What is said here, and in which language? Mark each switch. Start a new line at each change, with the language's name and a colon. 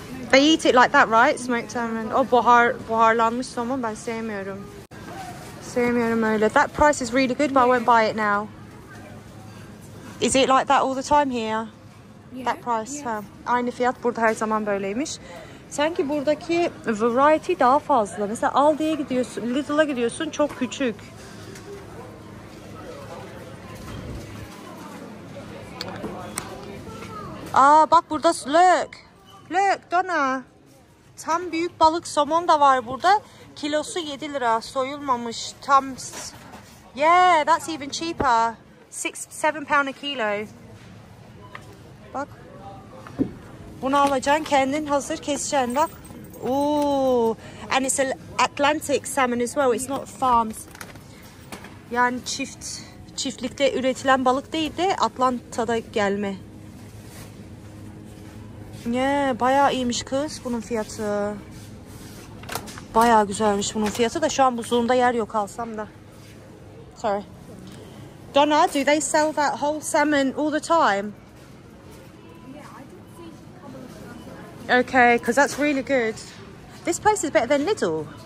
English: They eat it like that, right? Smoked salmon. Oh,
Turkish: buharlanmış somon. Ben sevmiyorum. Sevmiyorum öyle.
English: That price is really good, but I won't buy it now. Is it like that all the time here? That price, huh?
Turkish: Aynı fiyat burada her zaman böyleymiş. Sanki buradaki variety daha fazla. Mesela Aldi'ye gidiyorsun, Lidl'a gidiyorsun, çok küçük. Aa bak burada,
English: look. Look,
Turkish: Donna. Tam büyük balık somon da var burada. Kilosu 7 lira, soyulmamış.
English: Tam, yeah, that's even cheaper. 6-7 pound a kilo.
Turkish: Bak. Bunu alacaksın, kendin hazır keseceksin, bak.
English: Ooh, and it's an Atlantic salmon as well, it's not farmed.
Turkish: Yani çiftlikte üretilen balık değil de Atlanta'da gelme. Yeah, bayağı iyiymiş kız bunun fiyatı. Bayağı güzelmiş bunun fiyatı da, şu an buzluğunda yer yok alsam da.
English: Sorry. Donna, do they sell that whole salmon all the time? Okay, because that's really good. This place is better than Lidl.